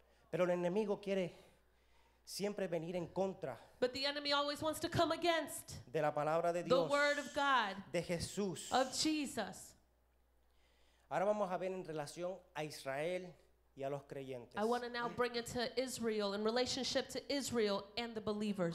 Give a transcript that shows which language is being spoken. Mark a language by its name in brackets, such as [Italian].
[Spanish] Pero el enemigo quiere siempre venir en contra. [English] But the enemy always wants to come against [Spanish] de la palabra de Dios, [English] the word of God, [Spanish] de Jesús. [English] Of Jesus. [Spanish] Ahora vamos a ver en relación a Israel y a los creyentes. [English] I want to now bring it to Israel in relationship to Israel and the believers.